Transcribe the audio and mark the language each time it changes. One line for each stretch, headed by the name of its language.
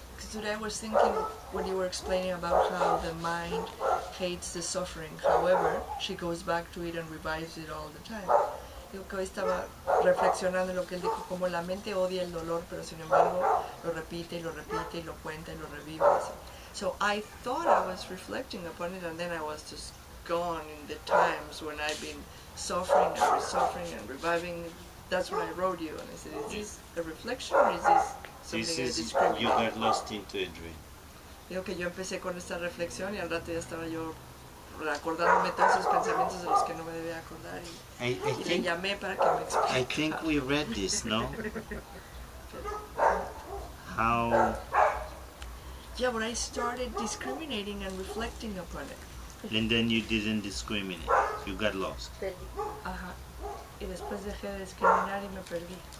English: Today I was thinking when you were explaining about how the mind hates the suffering. However, she goes back to it and revives it all the time.
Spanish: Yo que hoy estaba reflexionando en lo que él dijo, como la mente odia el dolor, pero sin embargo lo repite y lo repite y lo cuenta y lo revive.
English: So I thought I was reflecting upon it, and then I was just gone in the times when I've been suffering and resuffering and reviving. That's what I wrote you, and I said, is this a reflection or is this something you described? You got lost into a dream.
Spanish: Digo que yo empecé con esta reflexión y al rato ya estaba yo recordándome todos esos pensamientos de los que no me debía acordar. Y le llamé para que me explicara.
English: I think we read this, no? How? Yeah, but I started discriminating and reflecting upon it. And then you didn't discriminate. You got lost.
Spanish: Uh-huh. Y después dejé de discriminar y me perdí.